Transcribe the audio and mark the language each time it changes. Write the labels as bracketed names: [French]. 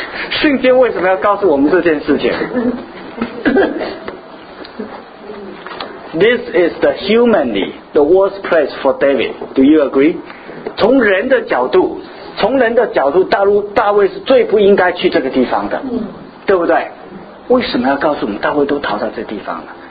[Chinese] 圣经为什么要告诉我们这件事情？ [English] This is the humanly the worst place for David. Do you agree? [Chinese] 从人的角度，从人的角度，大卫是最不应该去这个地方的，对不对？为什么要告诉我们大卫都逃到这地方了？